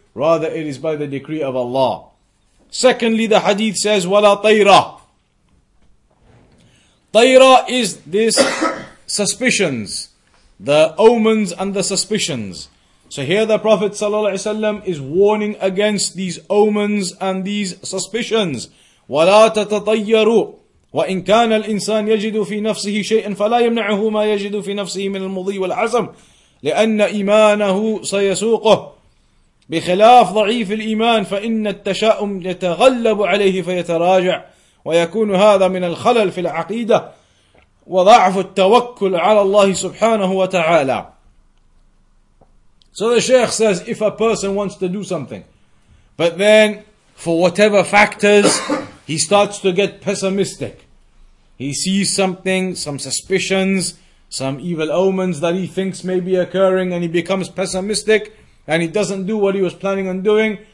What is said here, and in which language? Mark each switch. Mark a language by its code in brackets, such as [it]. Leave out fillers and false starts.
[en] Rather, it is by the decree of Allah. Secondly, the hadith says, [ar] وَلَا طَيْرَ. [en] طَيْرَ is this suspicions, the omens and the suspicions. So here the Prophet ﷺ is warning against these omens and these suspicions. [ar] وَلَا تَتَطَيَّرُوا وَإِنْ كَانَ الْإِنسَانِ يَجِدُ فِي نَفْسِهِ شَيْئًا فَلَا يَمْنَعُهُ مَا يَجِدُ فِي نَفْسِهِ مِنَ الْمُضِيِّ وَالْعَزَمِ لِأَنَّ إِيمَانَهُ سَيَسُوقُهُ بخلاف ضعيف الإيمان فإن التشاؤم يتغلب عليه فيتراجع ويكون هذا من الخلل في العقيدة وضعف التوكل على الله سبحانه وتعالى. [en] So the Shaykh says, if a person wants to do something, but then for whatever factors he starts to get pessimistic, he sees something, some suspicions, some evil omens that he thinks may be occurring, and he becomes pessimistic and he doesn't do what he was planning on doing.